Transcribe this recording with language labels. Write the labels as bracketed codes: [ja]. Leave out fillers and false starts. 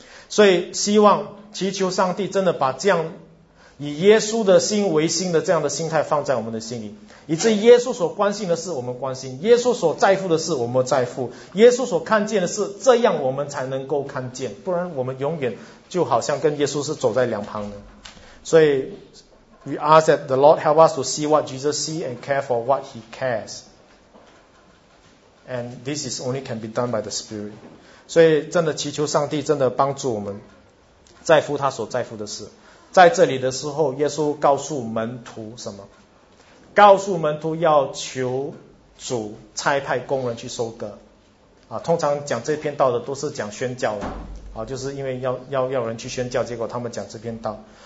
[zh] 所以希望祈求上帝真的把这样以耶稣的心为心的这样的心态放在我们的心里，以至耶稣所关心的事我们关心，耶稣所在乎的事我们在乎，耶稣所看见的事，这样我们才能够看见，不然我们永远就好像跟耶稣是走在两旁的。 [en] 所以 We ask that the Lord help us to see what Jesus see and care for what he cares, and this is only can be done by the Spirit. [zh] 所以真的祈求上帝真的帮助我们在乎他所在乎的事。在这里的时候耶稣告诉门徒什么？告诉门徒要求主差派工人去收割啊。通常讲这篇道的都是讲宣教的啊，就是因为要人去宣教，结果他们讲这篇道。